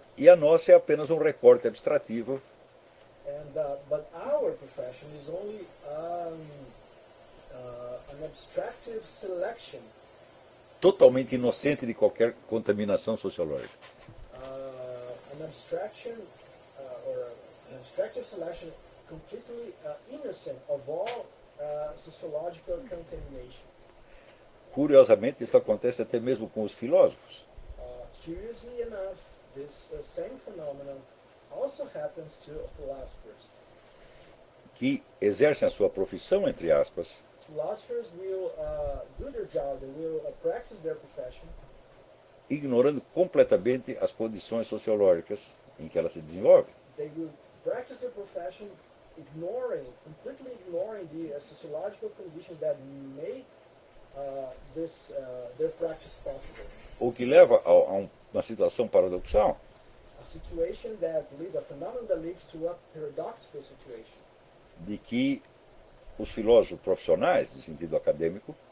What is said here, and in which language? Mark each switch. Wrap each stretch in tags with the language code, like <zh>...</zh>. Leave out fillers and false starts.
<pt>E a nossa é apenas um recorte abstrativo.</pt> <en>But our profession is only an abstractive selection.</en> <pt>Totalmente inocente de qualquer contaminação sociológica.</pt> <en>An abstraction or an abstractive selection completely innocent of all sociological contamination.</en> <pt>Curiosamente, isso acontece até mesmo com os filósofos.</pt> <en>Curiously enough, this same phenomenon also happens to philosophers.</en> <pt>Que exercem a sua profissão, entre aspas.</pt> <en>Philosophers will do their job, they will practice their profession,</en> <pt>ignorando completamente as condições sociológicas em que ela se desenvolve.</pt> <en>They will practice their profession, completely ignoring the sociological conditions that make their practice possible.</en> <pt>O que leva a uma situação paradoxal.</pt> <en>A phenomenon that leads to a paradoxical situation.</en> <pt>De que os filósofos profissionais, no sentido acadêmico,</pt>